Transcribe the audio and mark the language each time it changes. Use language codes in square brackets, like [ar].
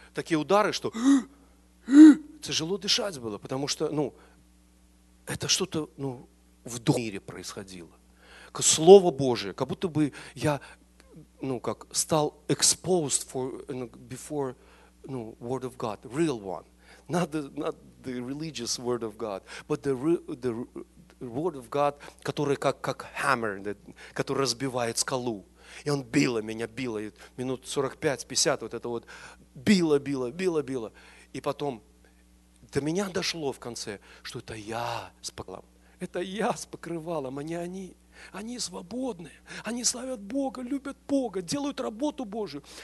[ru] Такие удары, что тяжело дышать было, потому что, ну, это что-то, ну, в мире происходило. Слово Божие, как будто бы я, ну, как стал [en] exposed for, before, [ru] ну, [en] word of God, real one. Not the religious word of God, but the word of God, [ru] который как [en] hammer, [ru] который разбивает скалу. И он било меня, било, минут 45-50, вот это вот, било. И потом до меня дошло в конце, что это я с покрывалом. Это я с покрывалом, а не они. Они свободны, они славят Бога, любят Бога, делают работу Божию.